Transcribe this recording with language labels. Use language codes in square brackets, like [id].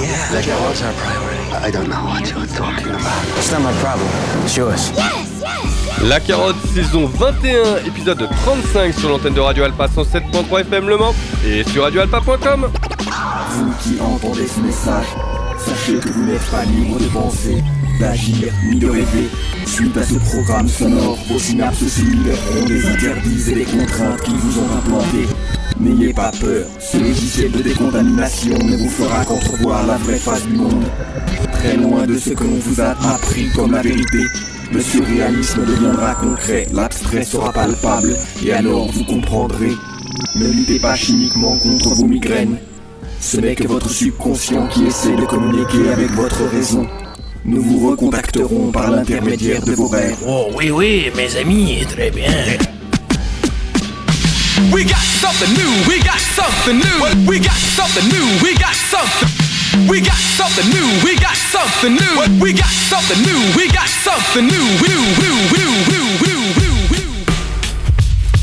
[en] Yeah, like it was our priority. I don't know what you're talking about. It's not my problem, it's yours. Yes, yes! [fr] La Carotte, saison 21, épisode 35 sur l'antenne de Radio Alpha 107.3 FM Le Mans et sur radioalpha.com. Vous qui entendez ce message, sachez que vous n'êtes pas libre de penser, d'agir ni de rêver. Suite à ce programme sonore, vos synapses se libéreront des interdits et des contraintes qui vous ont implantées. N'ayez pas peur, ce logiciel de décontamination ne vous fera qu'entrevoir la vraie face du monde. Très loin de ce que l'on vous a appris comme la vérité. Le surréalisme deviendra concret, l'abstrait sera palpable, et alors vous comprendrez. Ne luttez pas chimiquement contre vos migraines. Ce n'est que votre subconscient qui essaie de communiquer avec votre raison. Nous vous recontacterons par l'intermédiaire de vos rêves. Oh oui oui, mes amis, très bien. [en] We got something new, we got something new. We got something new, we got something. We got something new, we got something new. What? We got something new, we got something new. Woo, woo, woo, woo, woo, woo, woo.